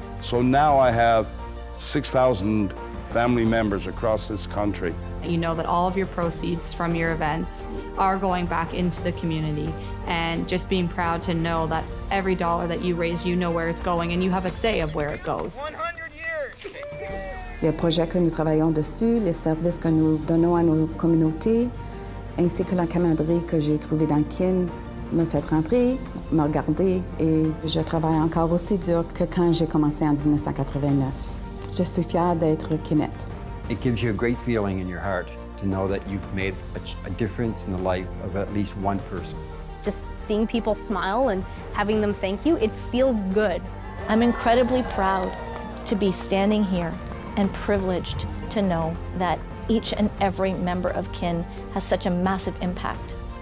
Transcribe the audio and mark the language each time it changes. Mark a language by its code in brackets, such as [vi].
[en] So now I have 6,000 family members across this country. You know that all of your proceeds from your events are going back into the community. And just being proud to know that every dollar that you raise, you know where it's going and you have a say of where it goes. 100 years! [fr] Les projets que nous travaillons dessus, les services que nous donnons à nos communautés, ainsi que la camaraderie que j'ai trouvée dans Kin, me fait rentrer, me regarder, et je travaille encore aussi dur que quand j'ai commencé en 1989. Je suis fière d'être Kinette. [en] It gives you a great feeling in your heart to know that you've made a difference in the life of at least one person. Just seeing people smile and having them thank you, it feels good. I'm incredibly proud to be standing here and privileged to know that each and every member of Kin has such a massive impact.